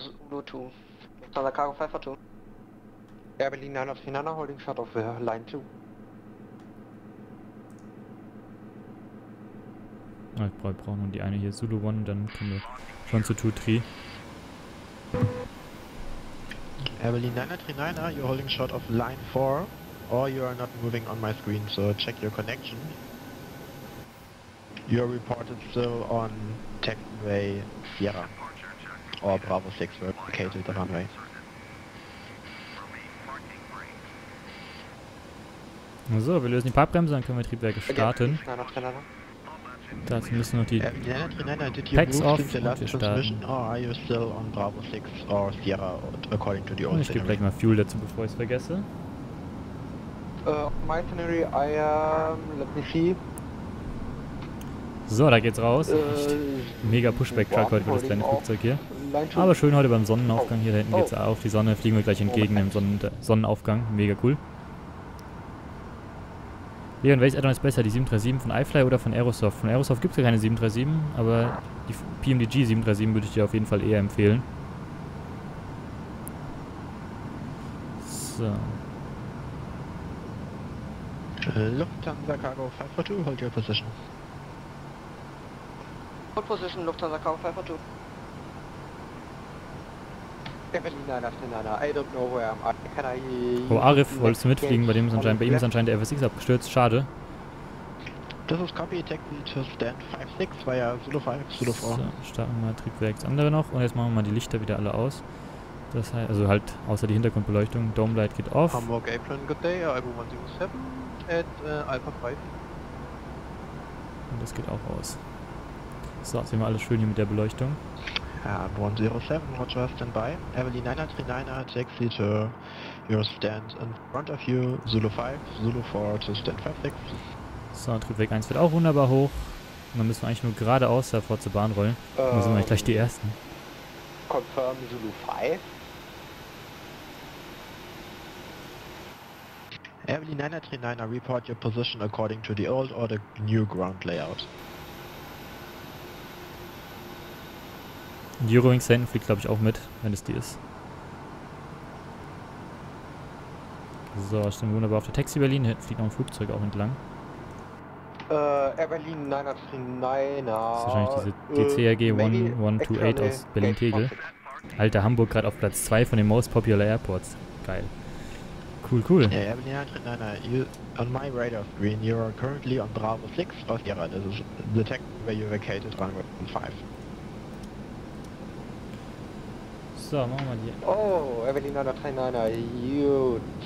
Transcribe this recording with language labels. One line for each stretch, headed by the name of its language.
English: Lufthansa Cargo 542. Air Berlin 9-9, holding short of line 2.
German: Ich brauche nur die eine hier, Zulu 1, dann können wir schon zu 2-3.
English: Evelyn 939, you're holding short of line 4, or you are not moving on my screen, so check your connection. You're reported still on taxiway Sierra, or Bravo 6, located the runway.
German: So, wir lösen die Parkbremse, dann können wir Triebwerke starten. Dazu müssen noch die Packs off und wir starten.
English: Or are you still on Bravo 6 or Sierra according to the old scenario?
German: Ich gebe gleich mal Fuel dazu, bevor ich es vergesse.
English: My scenery, I am... let me see.
German: So, da geht's raus. Mega Pushback-Truck heute für das kleine Flugzeug hier. Aber schön heute beim Sonnenaufgang. Hier da hinten geht's auf die Sonne. Fliegen wir gleich entgegen dem Sonnenaufgang. Mega cool. Leon, welches Addon ist besser, die 737 von iFly oder von Aerosoft? Von Aerosoft gibt es ja keine 737, aber die PMDG 737 würde ich dir auf jeden Fall eher empfehlen. So.
English: Lufthansa Cargo 542, hold your position. Hold position, Lufthansa Cargo 542. Berlin 989, I don't know where I'm at. Can I...
German: Oh, Arif, wolltest du mitfliegen? Bei dem ist anscheinend, der FSX abgestürzt, schade. Das ist
English: Copy, Taxi to Stand 56 via Zulu 5, Zulu 4.
German: So, starten wir Triebwerk das andere noch und jetzt machen wir mal die Lichter wieder alle aus. Das heißt, also halt außer die Hintergrundbeleuchtung, Dome Light geht off.
English: Hamburg Apron, good day, Alpha 107 at Alpha 5.
German: Und das geht auch aus. So, jetzt sehen wir alles schön hier mit der Beleuchtung.
English: Alpha 107, Roger, stand by. Heavily 939, Taxi to your stand in front of you, Zulu 5, Zulu 4 to Stand 56.
German: So, Triebwerk 1 wird auch wunderbar hoch. Und dann müssen wir eigentlich nur geradeaus davor zur Bahn rollen. Dann sind wir eigentlich gleich die Ersten.
English: Confirm Zulu 5. Evelyn 939, report your position according to the old or the new ground layout.
German: Die Eurowings hinten fliegt, glaube ich, auch mit, wenn es die ist. So, ist dann wunderbar auf der Taxi Berlin. Hinten fliegt noch ein Flugzeug auch entlang. Air Berlin 939. Das ist wahrscheinlich diese DCRG 1128 aus Berlin-Tegel. Alter, Hamburg gerade auf Platz 2 von den
English: Most Popular Airports.
German: Geil. Cool, cool.
English: Air Berlin 939, on my radar screen, you are currently on Bravo 6 aus Sierra. This is the taxi where you vacated runway 5.
German: So, machen wir mal die.
English: Oh, Air Berlin 939, huge.